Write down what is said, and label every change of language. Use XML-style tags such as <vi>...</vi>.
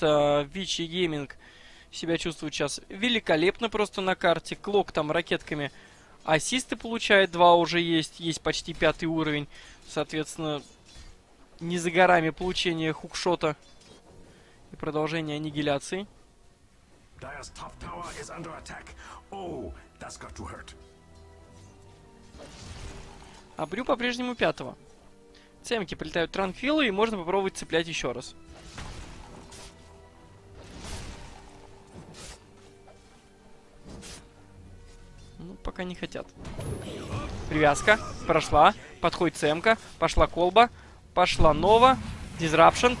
<ru>Вичи Гейминг себя чувствует сейчас великолепно просто на карте. Клок там ракетками ассисты получает. Два уже есть. Есть почти пятый уровень. Соответственно, не за горами получение хукшота и продолжение аннигиляции.</ru> <en>Dire's top tower is under attack. Oh, that's got to hurt.</en> <ru>А Брю по-прежнему пятого. Цемки прилетают Транквилы, и можно попробовать цеплять еще раз. Ну, пока не хотят. Привязка прошла. Подходит Цемка. Пошла колба. Пошла Нова. Дизрапшн.</ru>